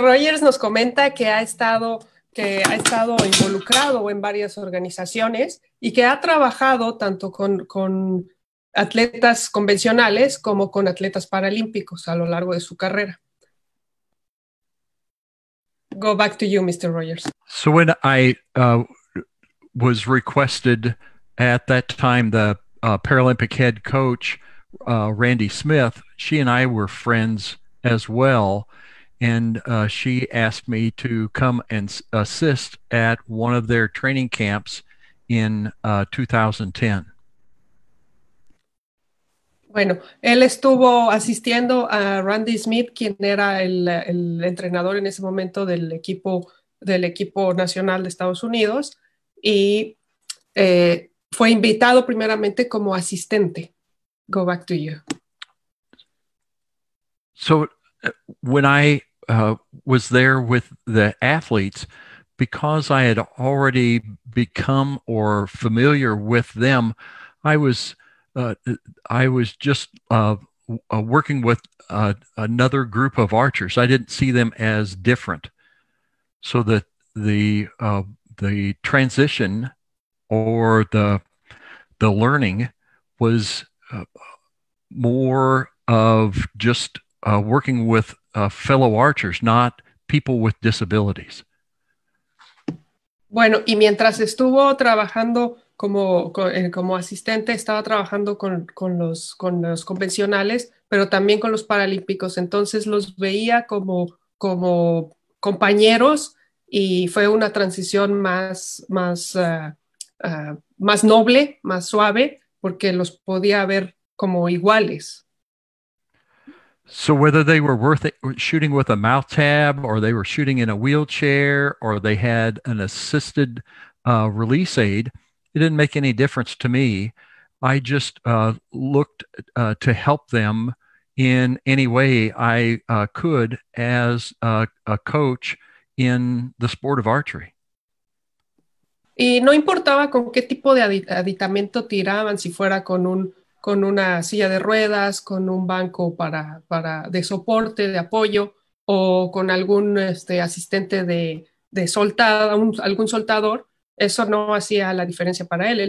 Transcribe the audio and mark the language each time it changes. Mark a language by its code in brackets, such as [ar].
[es] Rogers nos comenta que ha estado involucrado en varias organizaciones y que ha trabajado tanto con atletas convencionales como con atletas paralímpicos a lo largo de su carrera. [en] Go back to you, Mr. Rogers. So when I was requested at that time, the Paralympic head coach, Randy Smith, she and I were friends as well. And she asked me to come and assist at one of their training camps in 2010. [es] Bueno, él estuvo asistiendo a Randy Smith, quien era el entrenador en ese momento del equipo nacional de Estados Unidos, y fue invitado primeramente como asistente. [en] Go back to you. So when I was there with the athletes, because I had already become or familiar with them, I was just working with another group of archers. I didn't see them as different. So that the transition or the learning was more of just working with fellow archers, not people with disabilities. [es] Bueno, y mientras estuvo trabajando como asistente, estaba trabajando con los convencionales, pero también con los paralímpicos. Entonces los veía como compañeros y fue una transición más noble, más suave, porque los podía ver como iguales. [en] So whether they were worth it, shooting with a mouth tab, or they were shooting in a wheelchair, or they had an assisted release aid, it didn't make any difference to me. I just looked to help them in any way I could as a coach in the sport of archery. [es] Y no importaba con qué tipo de aditamento tiraban, si fuera con una silla de ruedas, con un banco para de soporte, de apoyo, o con algún asistente de soldado, algún soldador, eso no hacía la diferencia para él.